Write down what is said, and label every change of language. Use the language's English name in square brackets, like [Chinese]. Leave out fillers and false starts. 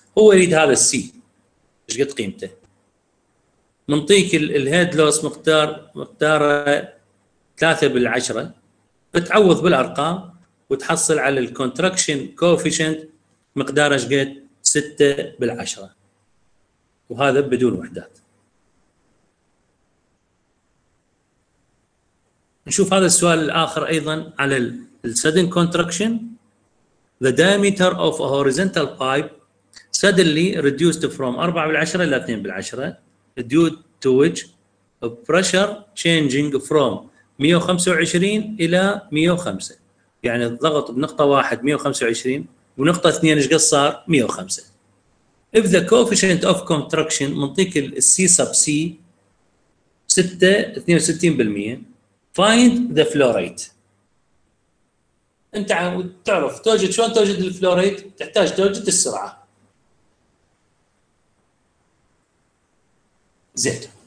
[Arabic] هو يريد هذا C إيش قد قيمته؟ منطيك الهيد لوس مقدار 3 بالعشرة، بتعوض بالأرقام وتحصل على الكونتراكشن كوفيشنت مقدار إيش قد 6 بالعشرة، وهذا بدون وحدات. نشوف هذا السؤال الآخر أيضا على السادن كونتراكشن. [English] The diameter of a horizontal pipe suddenly reduced from 4 [Arabic] بالعشرة إلى 2 بالعشرة [English] due to which a pressure changing from 125 إلى 105. [Arabic] يعني الضغط بنقطة واحد 125 ونقطة اثنين إيش قد صار 105. [English] If the coefficient of contraction [Arabic] منطيك ال [English] C sub C 6.62%، find the flow rate. [Arabic] انت تعرف توجد شلون توجد الفلو ريت؟ تحتاج توجد السرعة زد.